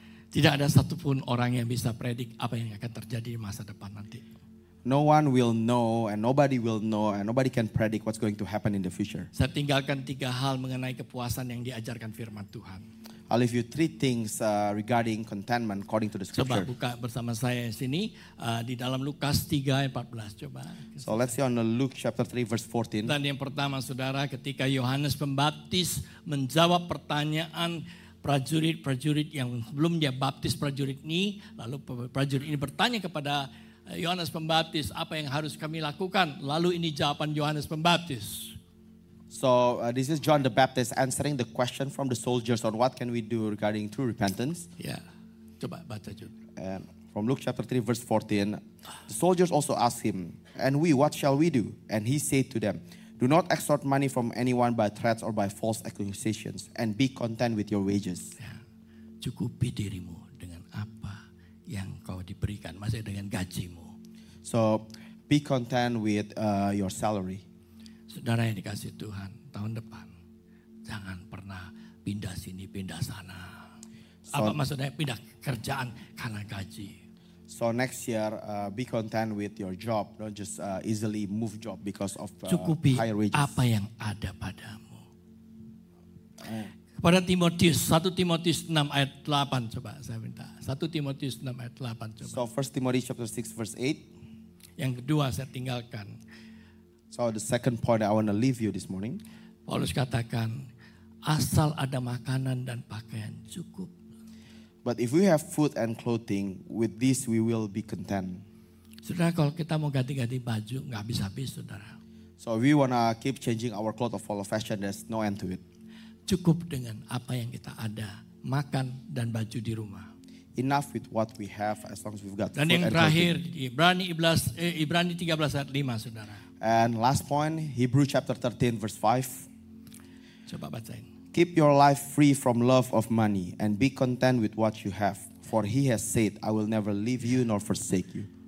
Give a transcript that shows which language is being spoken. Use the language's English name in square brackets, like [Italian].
[Indonesian] Tidak ada satupun orang yang bisa predik apa yang akan terjadi di masa depan nanti. [English] No one will know and nobody will know and nobody can predict what's going to happen in the future. [Indonesian] Saya tinggalkan tiga hal mengenai kepuasan yang diajarkan firman Tuhan. [English] I'll leave you three things regarding contentment according to the scripture. [Indonesian] Coba buka bersama saya sini di dalam Lukas 3 ayat 14 coba. [English] So let's see on the Luke chapter 3 verse 14. [Indonesian] Dan yang pertama saudara, ketika Yohanes Pembaptis menjawab pertanyaan prajurit-prajurit yang belum dia baptis prajurit ini, lalu prajurit ini bertanya kepada Yohanes Pembaptis, apa yang harus kami lakukan? Lalu ini jawaban Yohanes Pembaptis. [English] So this is John the Baptist answering the question from the soldiers on what can we do regarding true repentance. [Indonesian] Yeah, coba baca Jun. [English] From Luke chapter 3 verse 14, the soldiers also asked him, and we, what shall we do? And he said to them, do not extort money from anyone by threats or by false accusations, and be content with your wages. Yeah. [Indonesian] Cukupi dirimu dengan apa yang kau diberikan, maksudnya dengan gajimu. [English] So, be content with your salary. [Indonesian] Saudara yang dikasih Tuhan, tahun depan, jangan pernah pindah sini, pindah sana. So, apa maksudnya pindah kerjaan karena gaji? [English] So next year, be content with your job. Don't just easily move job because of higher wages. [Indonesian] Cukupi apa yang ada padamu. Kepada Timotius, 1 Timotius 6 ayat 8 coba saya minta. 1 Timotius 6 ayat 8 coba. [English] So 1 Timothy chapter 6 verse 8. [Indonesian] Yang kedua saya tinggalkan. [English] So the second point I want to leave you this morning. [Indonesian] Paulus katakan, asal ada makanan dan pakaian cukup. [English] But if we have food and clothing, with this we will be content. [Indonesian] Saudara, kalau kita mau ganti-ganti baju, gak habis-habis, saudara. [English] So if we want to keep changing our clothes of all fashion, there's no end to it. [Indonesian] Cukup dengan apa yang kita ada, makan dan baju di rumah. [English] Enough with what we have as long as we've got food and clothing. [Indonesian] Dan yang terakhir, Ibrani 13 ayat 5, saudara. [English] And last point, Hebrew chapter 13 verse 5. [Indonesian] Coba bacain. [English] Keep your life free from love of money and be content with what you have. For he has said, I will never leave you nor forsake you.